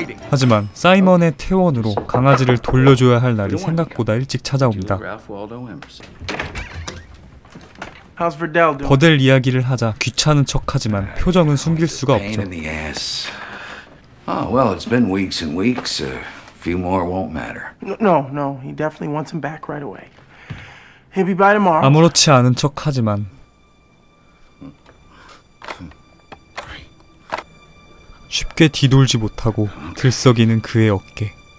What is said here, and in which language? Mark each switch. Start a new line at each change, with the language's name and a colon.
Korean: 하지만 사이먼의 퇴원으로 강아지를 돌려줘야 할 날이 생각보다 일찍 찾아옵니다. 버델 이야기를 하자 귀찮은 척하지만 표정은 숨길 수가 없죠.
English: Well, it's been weeks and weeks. A few more won't matter. No, no. He definitely wants him back right away. He'll be by tomorrow.
Korean: 아무렇지 않은 척하지만 쉽게 뒤돌지 못하고 들썩이는 그의 어깨.